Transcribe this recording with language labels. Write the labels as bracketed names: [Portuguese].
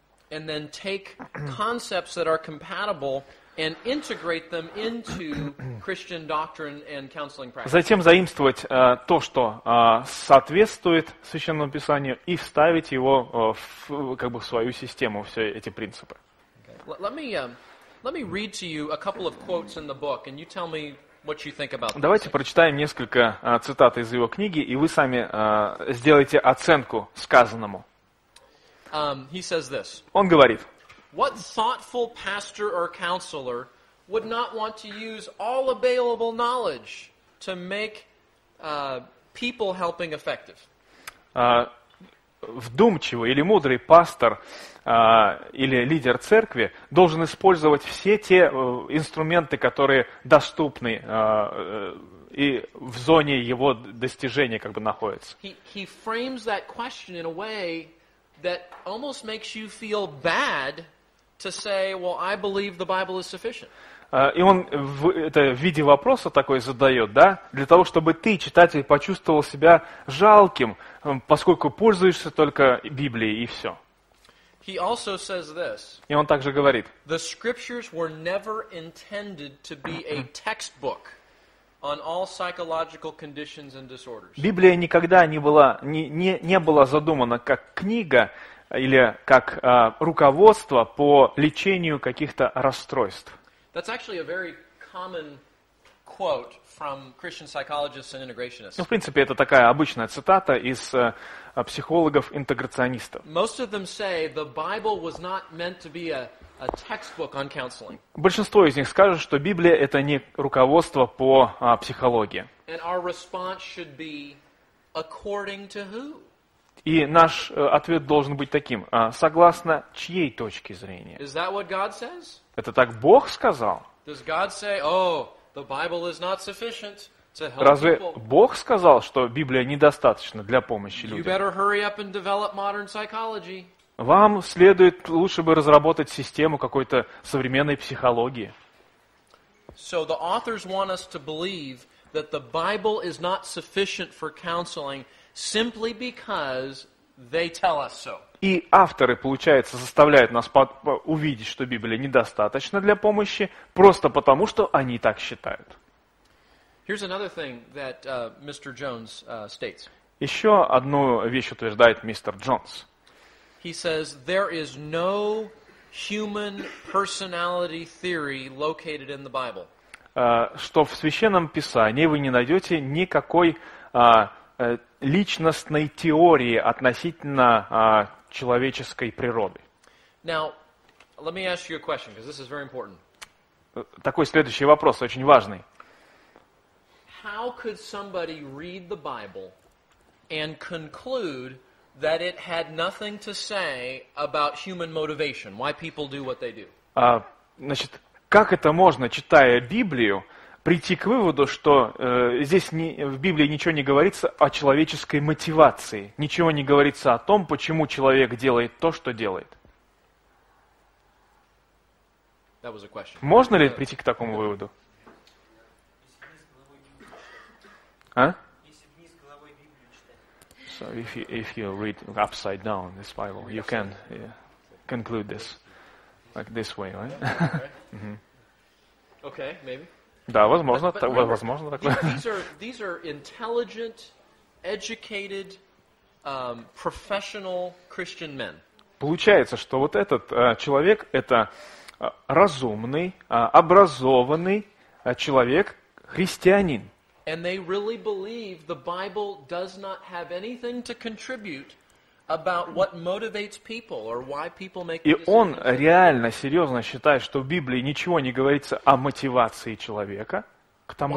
[English] And then take concepts that are compatible and integrate them into Christian doctrine and counseling practice. [Russian] Затем заимствовать то, что соответствует Священному Писанию, и вставить его в свою систему, все эти принципы. [English] Okay. Let me read to you a couple of quotes in the book, and you tell me what you think about them. [Russian] Давайте прочитаем несколько цитат из его книги, и вы сами сделаете оценку сказанному. [English] He says this. [Russian] Он говорит: [English] What thoughtful pastor or counselor would not want to use all available knowledge to make people helping effective? [Russian] Вдумчивый или мудрый пастор или лидер церкви должен использовать все те инструменты, которые доступны и в зоне его достижения находятся. [English] He frames that question in a way that almost makes you feel bad to say, well, I believe the Bible is sufficient. [Russian] И он это в виде вопроса такой задает, для того, чтобы ты, читатель, почувствовал себя жалким, поскольку пользуешься только Библией, и все. [English] He also says this. [Russian] И он также говорит: [English] The scriptures were never intended to be a textbook on all psychological conditions and disorders. [Russian] Библия никогда не была задумана как книга или как руководство по лечению каких-то расстройств. [English] That's actually a very common quote from Christian psychologists and integrationists. [Russian] В принципе, это такая обычная цитата из психологов-интеграционистов. [English] Most of them say the Bible was not meant to be a textbook on counseling. [Russian] Большинство из них скажут, что Библия это не руководство по психологии. [English] And our response should be according to who? [Russian] И наш ответ должен быть таким: согласно чьей точке зрения? [English] Is that what God says? [Russian] Это так Бог сказал? [English] Does God say, oh, the Bible is not sufficient to help people? [Russian] Разве Бог сказал, что Библия недостаточна для помощи людям? [English] You better hurry up and develop modern psychology. [Russian] Вам следует лучше бы разработать систему какой-то современной психологии. [English] So the authors want us to believe that the Bible is not sufficient for counseling simply because they tell us so. [Russian] И авторы, получается, заставляют нас увидеть, что Библия недостаточна для помощи, просто потому, что они так считают. [English] Here's another thing that Mr. Jones states. [Russian] Еще одну вещь утверждает мистер Джонс. [English] He says there is no human personality theory located in the Bible. [Russian] Что в Священном Писании вы не найдете никакой личностной теории относительно человеческой природы. [English] Now, let me ask you a question, because this is very important. [Russian] Такой следующий вопрос, очень важный. [English] How could somebody read the Bible and conclude that it had nothing to say about human motivation, why people do what they do? [Russian] Значит, как это можно, читая Библию, прийти к выводу, что здесь не, в Библии ничего не говорится о человеческой мотивации, ничего не говорится о том, почему человек делает то, что делает? [English] That was a question. [Russian] Можно ли прийти к такому выводу? А? [English] So if you read upside down this Bible, you can conclude this like this way, right? Mm-hmm. Okay, maybe. [Russian] Да, возможно, [English] but, [Russian] так, [English] remember, [Russian] возможно такое. [English] These are intelligent, educated, professional Christian men. [Russian] Получается, что вот этот человек это разумный, образованный человек, христианин. [English] And they really believe the Bible does not have anything to contribute about what motivates people or why people make decisions. [Russian] И он реально серьезно считает, что в Библии ничего не говорится о мотивации человека к тому